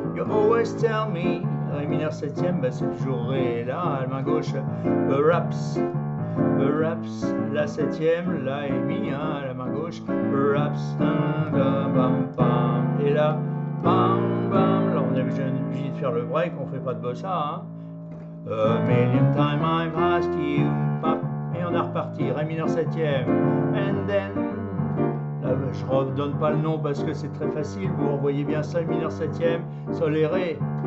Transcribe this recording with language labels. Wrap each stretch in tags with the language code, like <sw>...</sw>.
<en>You always tell me.</en> <fr>Ré mineur septième, ben c'est toujours ré et la, à la main gauche.</fr> <en>Perhaps, perhaps,</en> <fr>la septième, la et mi, hein, à la main gauche. Perhaps, dun, dun, bam, bam. Et là, bam, bam. Là, on est obligé de faire le break, on fait pas de bossa. Hein.</fr> <en>A million times I've asked you.</en> <fr>Pap, et on est reparti. Ré mineur septième.</fr> <en>And then.</en> <fr>Je redonne pas le nom parce que c'est très facile. Vous revoyez bien sol mineur septième, sol et ré.</fr>